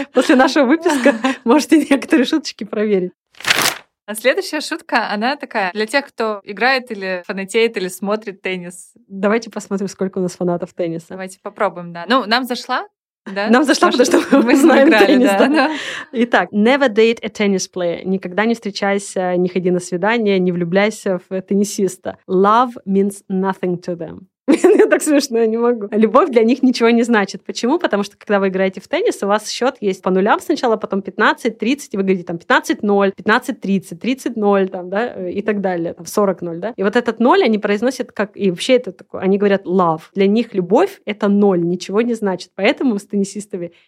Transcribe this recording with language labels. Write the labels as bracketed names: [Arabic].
[Russian] После нашего выпуска можете некоторые шуточки проверить. А следующая шутка, она такая, для тех, кто играет или фанатеет, или смотрит теннис. Давайте посмотрим, сколько у нас фанатов тенниса. Давайте попробуем, да. Ну, нам зашла, да? Нам зашла, потому что мы знаем теннис, да. Итак, [English] never date a tennis player. [Russian] Никогда не встречайся, не ходи на свидание, не влюбляйся в теннисиста. [English] Love means nothing to them. [Russian] Мне так смешно, я не могу. Любовь для них ничего не значит. Почему? Потому что, когда вы играете в теннис, у вас счет есть по нулям сначала, потом 15-30, и вы говорите там 15-0, 15-30, 30-0, там, да, и так далее, там 40-0, да. И вот этот ноль они произносят как... И вообще это такое... Они говорят love. Для них любовь — это ноль, ничего не значит. Поэтому с теннисистами